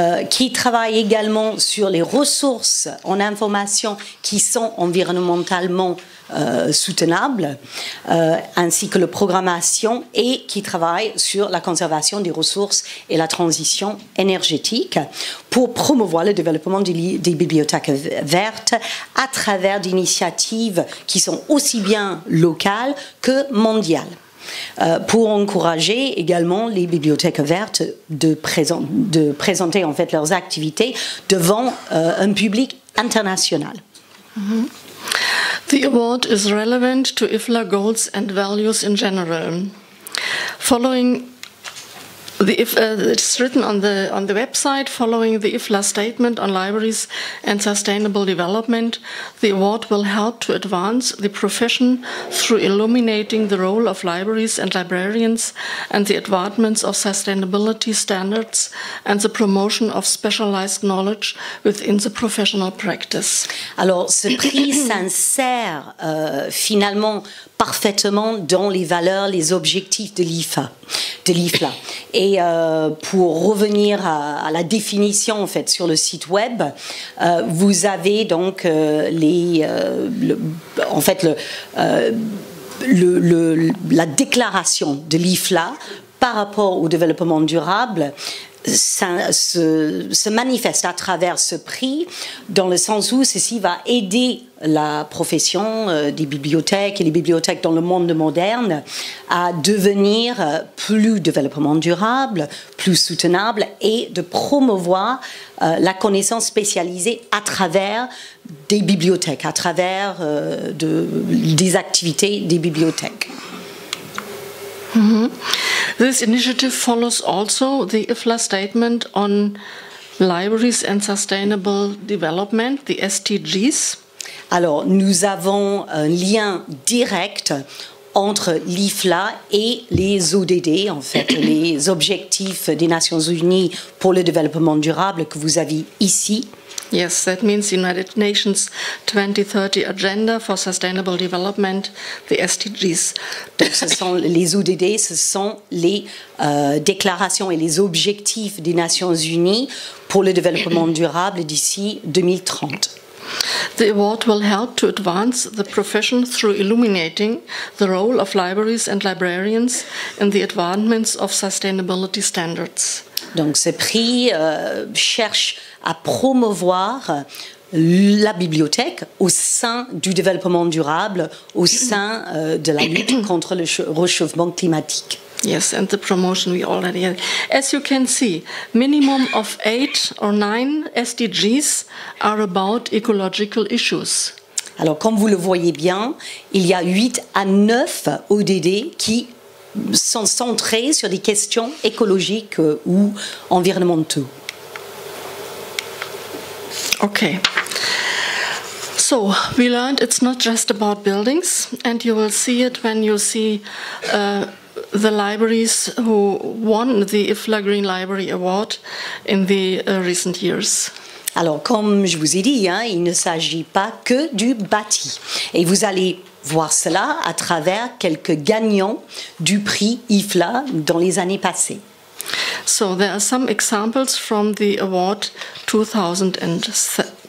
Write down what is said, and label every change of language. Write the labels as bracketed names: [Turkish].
[French] qui travaille également sur les ressources en information qui sont environnementalement soutenable, ainsi que la programmation et qui travaille sur la conservation des ressources et la transition énergétique pour promouvoir le développement des bibliothèques vertes à travers d'initiatives qui sont aussi bien locales que mondiales. Pour encourager également les bibliothèques vertes de présenter en fait leurs activités devant un public international. [English] The award is relevant to IFLA goals and values in general. Following It's written on the website, following the IFLA statement on libraries and sustainable development, the award will help to advance the profession through illuminating the role of libraries and librarians and the advancements of sustainability standards and the promotion of specialized knowledge within the professional practice. [French] Alors, ce prix s'insère finalement parfaitement dans les valeurs, les objectifs de l'IFLA. Et pour revenir à la définition, en fait, sur le site web, vous avez donc la déclaration de l'IFLA par rapport au développement durable. Ça se manifeste à travers ce prix, dans le sens où ceci va aider la profession des bibliothèques et les bibliothèques dans le monde moderne à devenir plus développement durable, plus soutenable et de promouvoir la connaissance spécialisée à travers des bibliothèques, à travers des activités des bibliothèques. Mm-hmm. [English] This initiative follows also the IFLA statement on libraries and sustainable development, the SDGs. [French] Alors, nous avons un lien direct entre l'IFLA et les ODD, en fait, les objectifs des Nations Unies pour le développement durable que vous avez ici. [English] Yes, that means United Nations 2030 Agenda for Sustainable Development, the SDGs. [French] Donc ce sont les ODD, ce sont les déclarations et les objectifs des Nations Unies pour le développement durable d'ici 2030. [English] The award will help to advance the profession through illuminating the role of libraries and librarians in the advancements of sustainability standards. [French] Donc ce prix cherche à promouvoir la bibliothèque au sein du développement durable, au sein de la lutte contre le réchauffement climatique. [English] Yes, and the promotion we already had. As you can see, minimum of 8 or 9 SDGs are about ecological issues. [French] Alors, comme vous le voyez bien, il y a 8 à 9 ODD qui sont centrés sur des questions écologiques ou environnementaux. Okay. [English] So, we learned it's not just about buildings, and you will see it when you see the libraries who won the IFLA Green Library Award in the recent years. [French] Alors, comme je vous ai dit, hein, il ne s'agit pas que du bâti. Et vous allez voir cela à travers quelques gagnants du prix IFLA dans les années passées. [English] So, there are some examples from the award 2017.